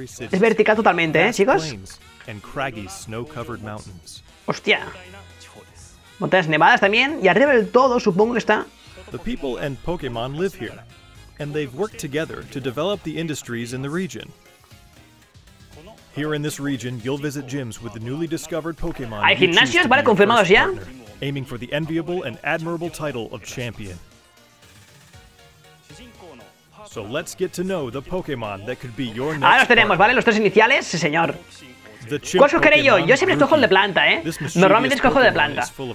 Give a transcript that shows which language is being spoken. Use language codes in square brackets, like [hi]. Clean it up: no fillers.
[es] Es vertical totalmente, ¿eh, chicos? [en] And craggy snow-covered mountains. [es] Hostia. Montañas nevadas también. Y arriba del todo, supongo que está... [en] The people and Pokémon live here. And they've worked together to develop the industries in the region. Here in this region, you'll visit gyms with the newly discovered Pokémon. [es] ¿Hay gimnasios? Vale, confirmados ya. [en] Aiming for the enviable and admirable title of champion. So let's get to know the Pokémon that could be your next. [es] Ah, los tenemos, ¿vale? Los tres iniciales, sí, señor. ¿Cuál escogeré yo? Yo siempre escojo el de planta, ¿eh? Normalmente escojo el de planta.